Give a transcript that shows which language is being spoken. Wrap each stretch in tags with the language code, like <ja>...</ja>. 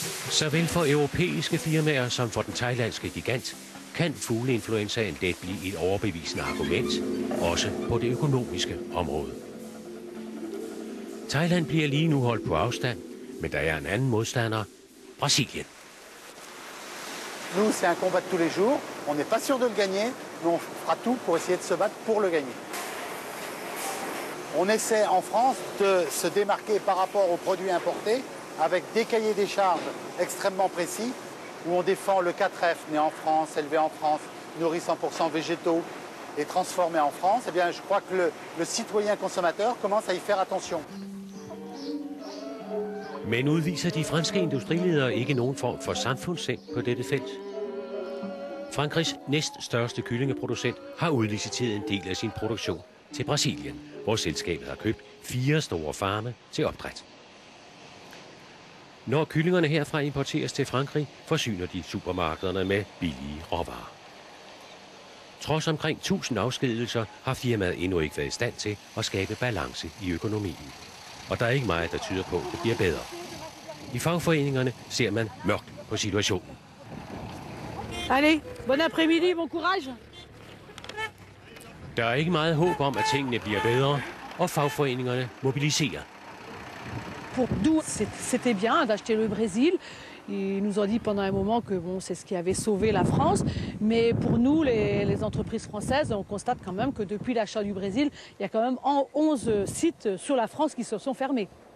<da>Såvel for europæiske firmaer som for den thailandske gigant, kan fugleinfluenzaen let blive et overbevisende argument, også på det økonomiske område. Thailand bliver lige nu holdt på afstand, men der er en anden modstander, Brasilien.</da> <fr>Nous, c'est un combat de tous les jours. On n'est pas sûr de le gagner, mais on fera tout pour essayer de se battre pour le gagner. On essaie en France de se démarquer par rapport aux produits importés avec des cahiers des charges extrêmement précis. Où on défend le 4F, né en France, élevé en France, nourri 100% végétaux et transformé en France, eh bien, je crois que le citoyen consommateur commence à y faire attention.</fr> <da>Men udviser de franske industriledere ikke nogen form for samfundssind på dette felt? Frankrigs næststørste kyllingeproducent har udliciteret en del af sin produktion til Brasilien, hvor selskabet har købt 4 store farme til opdræt. Når kyllingerne herfra importeres til Frankrig, forsyner de supermarkederne med billige råvarer. Trods omkring 1000 afskedelser har firmaet endnu ikke været i stand til at skabe balance i økonomien. Og der er ikke meget, der tyder på, at det bliver bedre. I fagforeningerne ser man mørkt på situationen.</da> <fr>Allez, bon après-midi, bon courage.</fr> <da>Der er ikke meget håb om, at tingene bliver bedre, og fagforeningerne mobiliserer.</da> <fr>Pour nous, c'était bien d'acheter le Brésil. Ils nous ont dit pendant un moment que bon, c'est ce qui avait sauvé la France. Mais pour nous, les entreprises françaises, on constate quand même que depuis l'achat du Brésil, il y a quand même 11 sites sur la France qui se sont fermés.</fr>